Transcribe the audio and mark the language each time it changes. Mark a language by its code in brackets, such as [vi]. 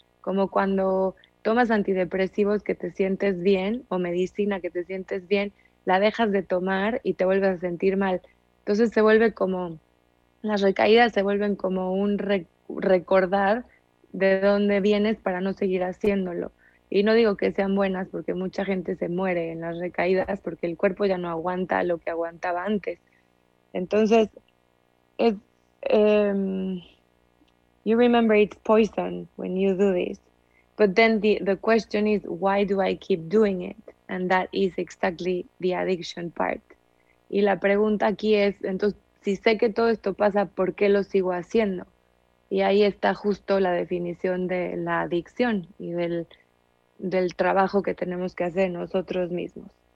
[es] Como cuando tomas antidepresivos que te sientes bien o medicina que te sientes bien, la dejas de tomar y te vuelves a sentir mal. Entonces se vuelve como, las recaídas se vuelven como un recordar de dónde vienes para no seguir haciéndolo. Y no digo que sean buenas porque mucha gente se muere en las recaídas porque el cuerpo ya no aguanta lo que aguantaba antes. Entonces, [en] you remember it's poison when you do this. But then the question is, why do I keep doing it? And that is exactly the addiction part. [es] Y la pregunta aquí es, entonces, si sé que todo esto pasa, ¿por qué lo sigo haciendo? Y ahí está justo la definición de la adicción y del trabajo que tenemos que hacer nosotros mismos.